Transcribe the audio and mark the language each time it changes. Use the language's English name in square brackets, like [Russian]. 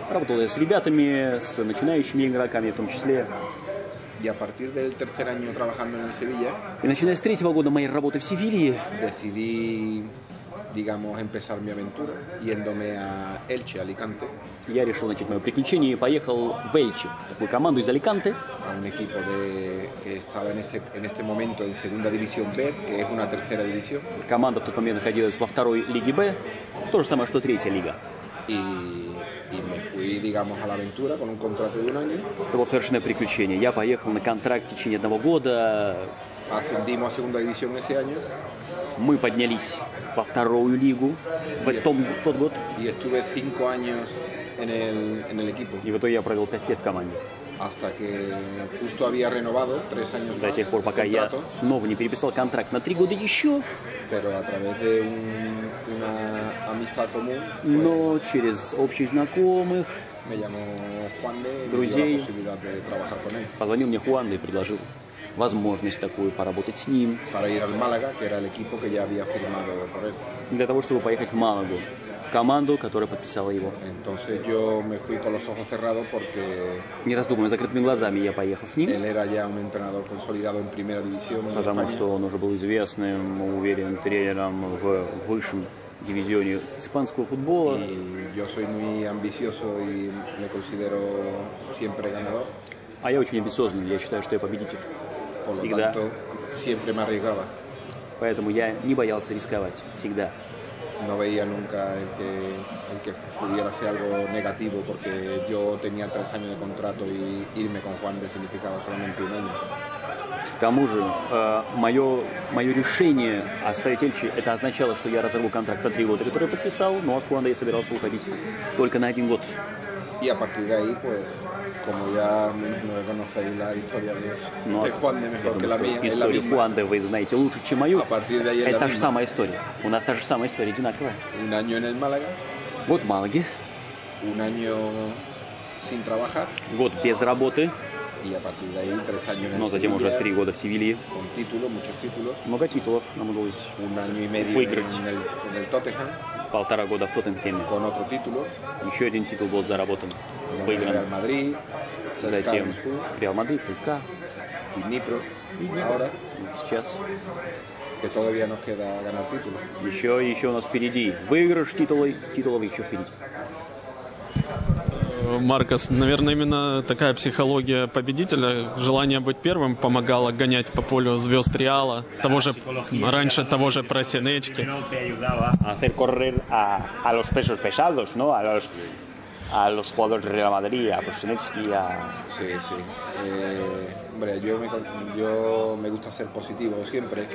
[Russian] Работал я с ребятами, с начинающими игроками, в том числе. [Spanish] Y a partir del tercer año trabajando en el Sevilla. [Russian] И начиная с третьего года моей работы в Севилье. [Spanish] Decidí, digamos, empezar mi aventura yéndome a Elche, Alicante. [Russian] Я решил начать мое приключение и поехал в Эльче, такую команду из Аликанте. [Spanish] A un equipo que estaba en este momento en segunda división B, que es una tercera división. [Russian] Команда в тот момент находилась во второй лиге Б, то же самое, что третья лига. [Spanish] И мы fui, digamos, a la aventura con un contrato de un año. [Russian] Это было совершенное приключение. Я поехал на контракт в течение одного года. [Spanish] Ascendimos a segunda división ese año. [Russian] Мы поднялись во вторую лигу в тот год. [Spanish] Y estuve 5 años en el equipo. [Russian] И в итоге я провел 5 лет в команде. [Spanish] Hasta que justo había renovado 3 años. [Russian] До тех пор, пока я снова не переписал контракт на 3 года еще. [Spanish] Pero a través de una amistad común. [Russian] Но через общих знакомых. [Spanish] Me llamó Juan de. [Russian] Друзей. [Spanish] Y me dio la posibilidad de trabajar con él. [Russian] Позвонил мне Juan de и предложил возможность такую поработать с ним. [Spanish] Para ir al Málaga, que era el equipo que ya había firmado por él. [Russian] Для того, чтобы поехать в Малагу, команду, которая подписала его. [Spanish] Entonces yo me fui con los ojos cerrados porque. [Russian] Не раздумывая, закрытыми глазами я поехал с ним. [Spanish] Él era ya un entrenador consolidado en primera división. [Russian] Потому что он уже был известным, уверенным тренером в высшем дивизионе испанского футбола. [Spanish] Y yo soy muy ambicioso y me considero siempre ganador. [Russian] А я очень амбициозный, я считаю, что я победитель. Всегда. [Spanish] Siempre me arriesgaba. [Russian] Поэтому я не боялся рисковать. Всегда. [Spanish] No veía nunca el que pudiera ser algo negativo, porque yo tenía 3 años de contrato y irme con Juan de significaba solamente un año. [Russian] К тому же, мое решение оставить Эльче, это означало, что я разорву контракт на 3 года, который я подписал, ну а с Хуанда я собирался уходить только на 1 год. И [Spanish] a partir de ahí, pues... Como ya me conocéis la historia de Juan de mejor que la mía. [Russian] История Juan de вы знаете лучше, чем мою. [Spanish] A partir de ahí [Russian] это та же самая история. У нас та же самая история, одинаковая. [Spanish] Un año en el Málaga. [Russian] Год в Малаге. [Spanish] Un año sin trabajar. [Russian] Год без работы. [Spanish] Y a partir de ahí, 3 años en Sevilla. [Russian] Но затем уже 3 года в Севилье. [Spanish] Con título, muchos títulos. [Russian] Много титулов нам удалось. [Spanish] Un año y medio en el Tottenham. [Russian] 1,5 года в Тоттенхеме. [Spanish] Con otro título. [Russian] Еще один титул был заработан. Выигран. [Spanish] Real Madrid, CSKA, [Russian] затем Реал Мадрид, ЦСКА. И Днепро. Сейчас. [Spanish] Que todavía nos queda ganar título. [Russian] Еще у нас впереди. Выигрыш титулов еще впереди. Маркос, наверное, именно такая психология победителя, желание быть первым, помогало гонять по полю звезд Реала, того же Prosinecki. [Spanish] Hacer correr a los pesos pesados, ¿no? A los jugadores de Real Madrid, a Prosinecki, a... Sí, sí. Hombre, yo me gusta ser positivo siempre.